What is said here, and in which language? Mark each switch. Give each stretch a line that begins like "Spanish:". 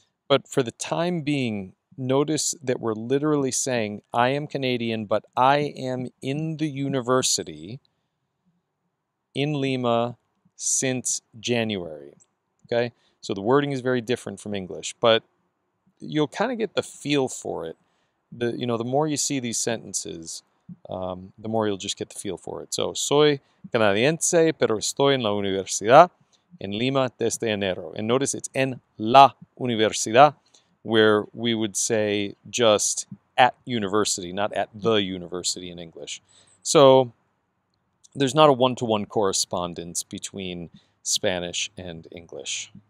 English: But for the time being, notice that we're literally saying, I am Canadian, but I am in the university in Lima since January. Okay? So the wording is very different from English, but you'll kind of get the feel for it. The more you see these sentences, the more you'll just get the feel for it.
Spanish: So, soy canadiense, pero estoy en la universidad en Lima desde enero.
English: And notice it's
Spanish: en la universidad,
English: where we would say just at university, not at the university in English. So, there's not a one-to-one correspondence between Spanish and English.